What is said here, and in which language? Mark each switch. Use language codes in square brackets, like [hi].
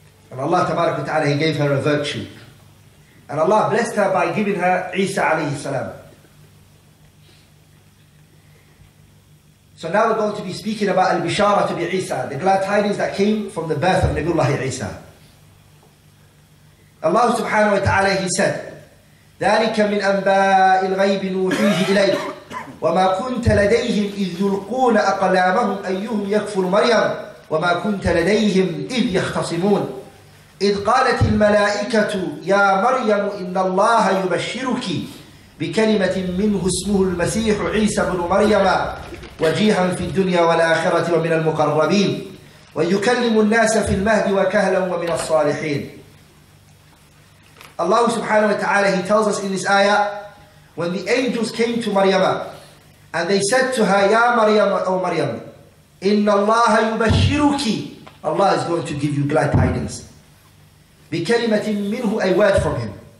[en] And Allah tabarak wa ta'ala, he gave her a virtue. And Allah blessed her by giving her Isa alayhi salam. So now we're going to be speaking about al-bishara to be Isa, the glad tidings that came from the birth of Nabiullah Isa. Allah subhanahu wa ta'ala, he said, [ar] ذَلِكَ مِنْ أَنْبَاءِ الْغَيْبِ نُوحِيهِ إِلَيْكَ وَمَا كُنْتَ لَدَيْهِمْ إِذْ يُلْقُونَ أَقْلَامَهُمْ أَيُّهُمْ يَكْفُلُ مَرْيَمْ وَمَا كُنْتَ لَدَيْهِمْ إِذْ يَخْتَصِمُونَ إِذْ قَالَتِ الْمَلَائِكَةُ يَا مَرْيَمُ إِنَّ اللَّهَ يُبَشِّرُكِ بِكَلِمَةٍ مِّنْهُ اسْمُهُ الْمَسِيحُ عِيسَى بْنُ مَرْيَمَ وَجِيهًا فِي الدُّنْيَا وَالْآخِرَةِ وَمِنَ الْمُقَرَّبِينَ وَيُكَلِّمُ النَّاسَ فِي الْمَهْدِ وَكَهْلًا وَمِنَ الصَّالِحِينَ. الله سبحانه وتعالى, [en] he tells us in this ayah, when the angels came to Maryama and they said to her, Ya Maryam, O Maryam, Inna Allah yubashiruki, Allah is going to give you glad tidings. [ar] بِكَلِمَةٍ مِّنْهُ, [en] a word from him.